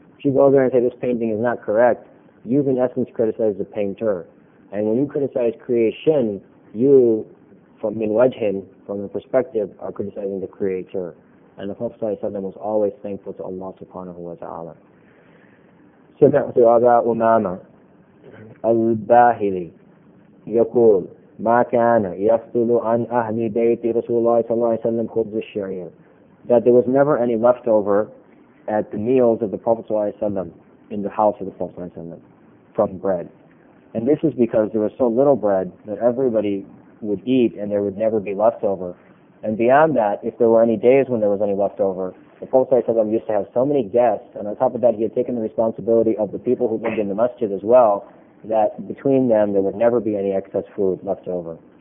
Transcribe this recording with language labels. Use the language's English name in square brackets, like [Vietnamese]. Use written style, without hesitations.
[English] If you go there and say this painting is not correct, you've in essence criticized the painter. And when you criticize creation, you, from min wajhin, from the perspective, are criticizing the Creator. And the Prophet صلى الله عليه وسلم was always thankful to Allah subhanahu wa ta'ala. [Arabic] سمعت أبا أمامة الباهلي يقول ما كان يفضل عن أهل بيت رسول الله صلى الله عليه وسلم خبز الشعير. [English] That there was never any leftover at the meals of the Prophet صلى الله عليه وسلم in the house of the Prophet صلى الله عليه وسلم from bread. And this is because there was so little bread that everybody would eat and there would never be leftover. And beyond that, if there were any days when there was any leftover, the Prophet صلى الله عليه وسلم used to have so many guests, and on top of that he had taken the responsibility of the people who lived in the masjid as well, that between them there would never be any excess food left over.